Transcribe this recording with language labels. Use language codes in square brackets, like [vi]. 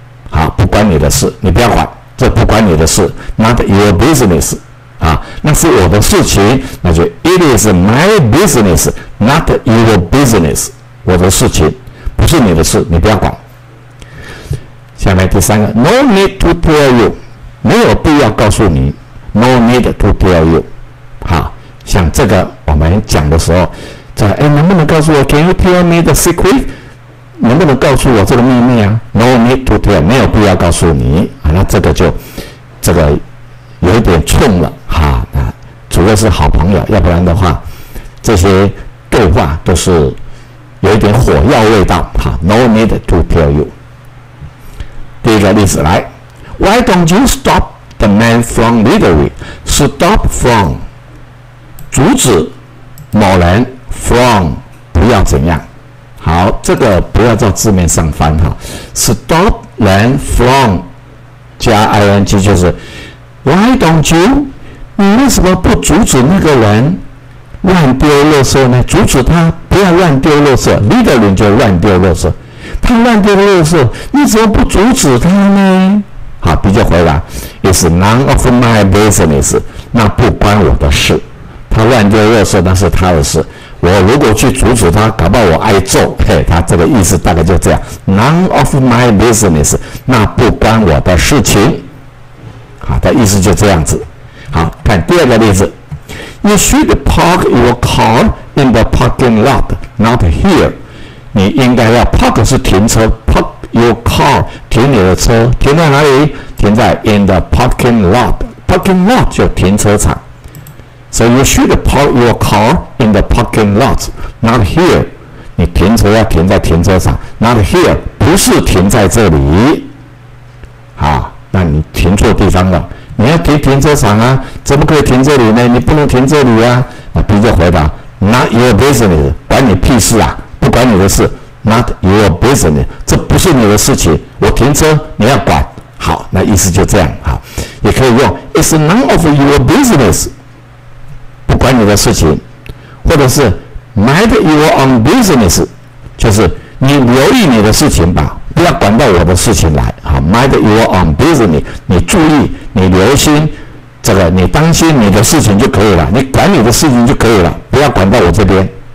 [zh] 好，不关你的事，你不要管，这不关你的事 ， [en] not your business， [zh] 啊，那是我的事情，那就 [en] it is my business， [zh] not your business， 我的事情，不是你的事，你不要管。下面第三个 ， [en] no need to tell you， [zh] 没有必要告诉你。 No need to tell you， 好，像这个我们讲的时候，在哎，能不能告诉我 ？ [en] Can you tell me the secret？ [zh] 能不能告诉我这个秘密啊 ？ [en] No need to tell， [zh] 没有必要告诉你啊。那这个就这个有一点冲了哈。那主要是好朋友，要不然的话，这些对话都是有一点火药味道哈。 [en] No need to tell you。 [zh] 第一个例子来 [en] ，Why don't you stop？ The man from littering, stop from, [zh] 阻止某人 [en] from [zh] 不要怎样。好，这个不要在字面上翻哈。 [en] Stop man from 加 ing 就是 Why don't you? [zh] 你为什么不阻止那个人乱丢垃圾呢？阻止他不要乱丢垃圾 ，littering 就乱丢垃圾。他乱丢垃圾，你怎么不阻止他呢？好，比较回答。 [en] is none of my business， [zh] 那不关我的事。他乱丢垃圾那是他的事，我如果去阻止他，搞不好我挨揍。嘿，他这个意思大概就这样， [en] none of my business， [zh] 那不关我的事情。好，他意思就这样子。好，看第二个例子， [en] You should park your car in the parking lot， not here。 [zh] 你应该要 park 是停车， [en] park your car [zh] 停你的车，停在哪里？停在 [en] in the parking lot， [zh] parking lot 就停车场。 [en] So you should park your car in the parking lot, not here. [zh] 你停车要停在停车场， [en] not here [zh] 不是停在这里。好，那你停错地方了。你要停停车场啊，怎么可以停这里呢？你不能停这里啊。那 B 就回答： [en] Not your business， [zh] 管你屁事啊，不管你的事。 [en] Not your business， [zh] 这不是你的事情，我停车你要管。好，那意思就这样。好，也可以用 [en] It's none of your business。 [zh] 管你的事情，或者是 [en] mind your own business， [zh] 就是你留意你的事情吧，不要管到我的事情来。好， [en] mind your own business， [zh] 你注意，你留心，这个你当心你的事情就可以了，你管你的事情就可以了，不要管到我这边。